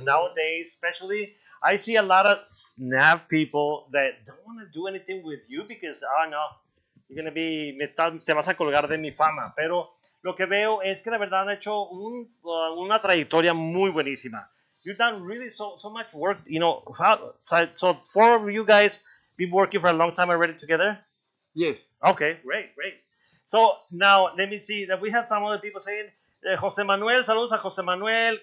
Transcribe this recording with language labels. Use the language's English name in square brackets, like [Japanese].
[English] Nowadays, especially, I see a lot of snap people that don't want to do anything with you because, oh no, you're going to be, [Spanish] te vas a colgar de mi fama, pero... Lo que veo es que la verdad han hecho una trayectoria muy buenísima. [English] You've done really so much work, you know. So four of you guys been working for a long time already together? Yes. Okay, great. So now let me see that we have some other people saying, José Manuel, [Spanish] saludos a José Manuel.